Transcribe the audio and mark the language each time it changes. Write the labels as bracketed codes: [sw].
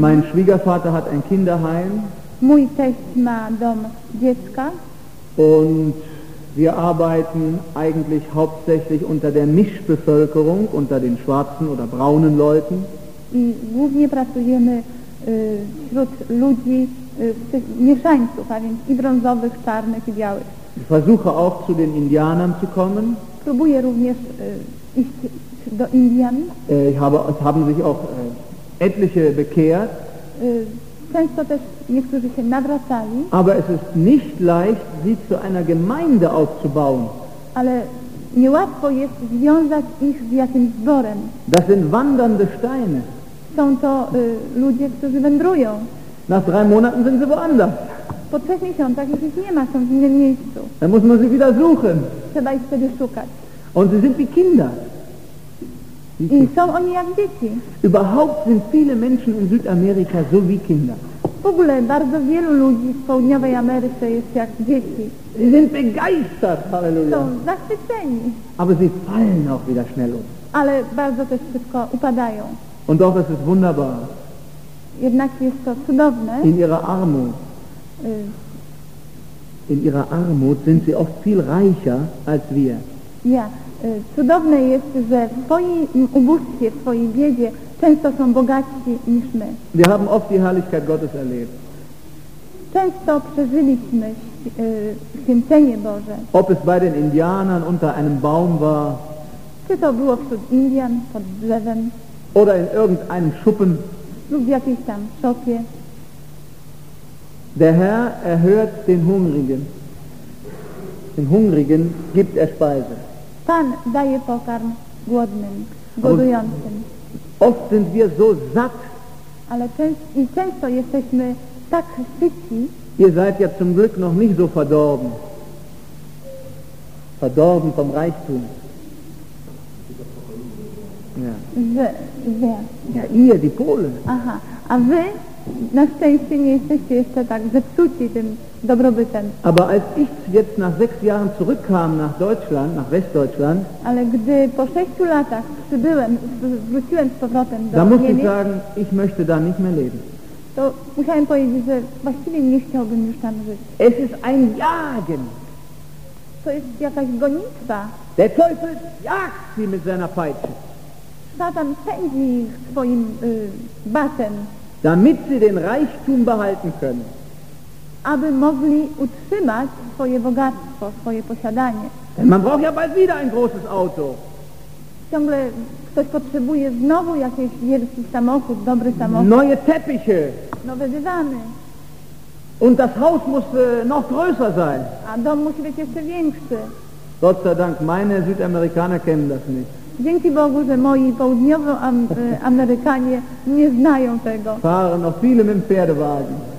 [de] Mein Schwiegervater hat ein Kinderheim. [pl] Mój teść ma dom dziecka. [de] Und wir arbeiten eigentlich hauptsächlich unter der Mischbevölkerung, unter den schwarzen oder braunen Leuten. [pl] I głównie pracujemy wśród ludzi, tych mieszańców, a więc i brązowych, czarnych i białych. [de] Ich versuche auch zu den Indianern zu kommen. [pl] Próbuję również iść do Indian. [de] Es haben sich auch etliche bekehrt. [pl] Często też niektórzy się nawracali. [de] Aber es ist nicht leicht, sie zu einer Gemeinde aufzubauen. [pl] Ale niełatwo jest związać ich z jakimś zborem. [de] Das sind wandernde Steine. [pl] Są to ludzie, którzy wędrują. [de] Nach drei Monaten sind sie woanders. [pl] Po trzech miesiącach już ich nie ma, są w innym miejscu. [de] Dann muss man sie wieder suchen. [pl] Trzeba ich wtedy szukać. [de] Und sie sind wie Kinder. [pl] I są oni jak dzieci. [de] Überhaupt sind viele Menschen in Südamerika so wie Kinder. [pl] W ogóle bardzo wielu ludzi w południowej Ameryce jest jak dzieci. [de] Sie sind begeistert, halleluja. [pl] Są zachwyceni. [de] Aber sie fallen auch wieder schnell um. [pl] Ale bardzo też szybko upadają. [de] Und doch ist es wunderbar. [pl] Jednak jest to cudowne. [de] In ihrer Armut. In ihrer Armut sind sie oft viel reicher als wir. [pl] Ja, cudowne jest, że w swojej ubóstwie, w swojej biedzie często są bogatsi niż my. [de] Wir haben oft die Herrlichkeit Gottes erlebt. [pl] Często przeżyliśmy święcenie Boże. [de] Ob es bei den Indianern unter einem Baum war. [pl] Czy to było wśród Indian, pod drzewem. [de] Oder in irgendeinem Schuppen. [pl] Lub w jakiejś tam szopie. [de] Der Herr erhört den Hungrigen. Den Hungrigen gibt er Speise. [pl] Pan daje pokarm głodnym, głodującym. [de] Oft sind wir so satt. [pl] Ale często jesteśmy tak syci. [de] Ihr seid ja zum Glück noch nicht so verdorben. Verdorben vom Reichtum. Ja. Wer? Ja, ihr, die Polen. [pl] Aha, a wy na szczęście nie jesteście jeszcze tak zepsuci tym dobrobytem. [de] Aber als ich jetzt nach 6 Jahren zurückkam nach Deutschland, nach Westdeutschland, [pl] ale gdy po 6 latach przybyłem, wróciłem z powrotem do [de] da [pl] Niemiec, [de] muss ich sagen, ich möchte da nicht mehr leben. [pl] To musiałem powiedzieć, że właściwie nie chciałbym już tam żyć. [de] Es ist ein Jagen. [pl] To jest jakaś gonitwa. [de] Der Teufel jagt sie mit seiner Peitsche. [pl] Satan pędzi swoim batem. [de] Damit sie den Reichtum behalten können. [pl] Aby mogli utrzymać swoje bogactwo, swoje posiadanie. [de] Denn man braucht ja bald wieder ein großes Auto. [pl] Ciągle ktoś potrzebuje znowu jakiś wielki samochód, dobry samochód. [de] Neue Teppiche. [pl] Nowe dywany. [de] Und das Haus muss noch größer sein. [pl] A dom musi być jeszcze większy. [de] Gott sei Dank, meine Südamerikaner kennen das nicht. [pl] Dzięki Bogu, że moi południowoamerykanie nie znają tego. [de] Fahren noch viele mit dem Pferdewagen.